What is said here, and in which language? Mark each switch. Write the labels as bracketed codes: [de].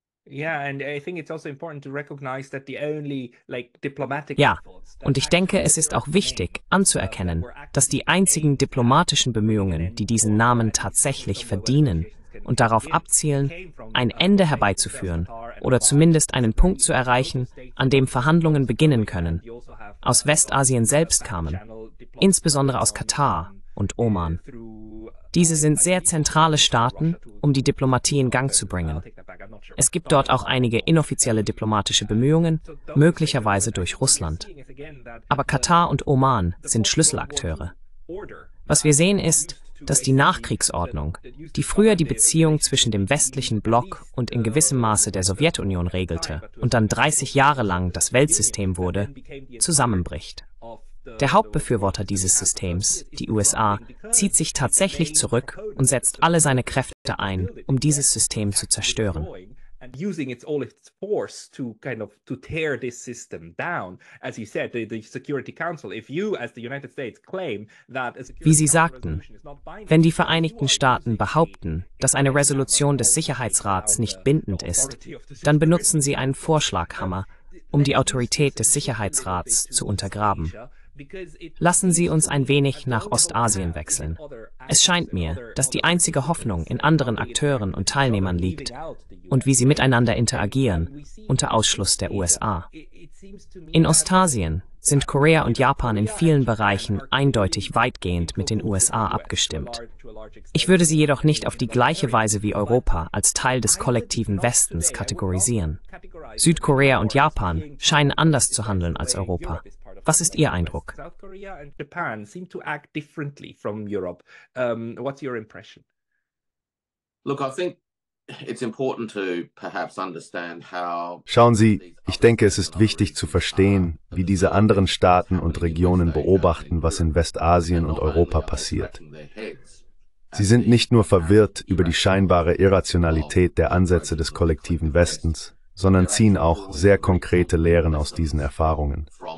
[en] Yeah, and I think it's also important to recognize that the only like diplomatic [de] Ja, und ich denke, es ist auch wichtig anzuerkennen, dass die einzigen diplomatischen Bemühungen, die diesen Namen tatsächlich verdienen und darauf abzielen, ein Ende herbeizuführen oder zumindest einen Punkt zu erreichen, an dem Verhandlungen beginnen können, aus Westasien selbst kamen, insbesondere aus Katar und Oman. Diese sind sehr zentrale Staaten, um die Diplomatie in Gang zu bringen. Es gibt dort auch einige inoffizielle diplomatische Bemühungen, möglicherweise durch Russland. Aber Katar und Oman sind Schlüsselakteure. Was wir sehen ist, dass die Nachkriegsordnung, die früher die Beziehung zwischen dem westlichen Block und in gewissem Maße der Sowjetunion regelte und dann 30 Jahre lang das Weltsystem wurde, zusammenbricht. Der Hauptbefürworter dieses Systems, die USA, zieht sich tatsächlich zurück und setzt alle seine Kräfte ein, um dieses System zu zerstören. [en] Using its all its force to kind of to tear this system down, as you said, the Security Council. If you, as the United States, claim that, [de] wie Sie sagten, wenn die Vereinigten Staaten behaupten, dass eine Resolution des Sicherheitsrats nicht bindend ist, dann benutzen sie einen Vorschlaghammer, um die Autorität des Sicherheitsrats zu untergraben. Lassen Sie uns ein wenig nach Ostasien wechseln. Es scheint mir, dass die einzige Hoffnung in anderen Akteuren und Teilnehmern liegt und wie sie miteinander interagieren, unter Ausschluss der USA. In Ostasien sind Korea und Japan in vielen Bereichen eindeutig weitgehend mit den USA abgestimmt. Ich würde sie jedoch nicht auf die gleiche Weise wie Europa als Teil des kollektiven Westens kategorisieren. Südkorea und Japan scheinen anders zu handeln als Europa. Was ist Ihr Eindruck? [en] South Korea and Japan seem to act differently from Europe. What's your impression? Look, I think it's important to perhaps understand how. [de] Schauen Sie, ich denke, es ist wichtig zu verstehen, wie diese anderen Staaten und Regionen beobachten, was in Westasien und Europa passiert. Sie sind nicht nur verwirrt über die scheinbare Irrationalität der Ansätze des kollektiven Westens, sondern ziehen auch sehr konkrete Lehren aus diesen Erfahrungen.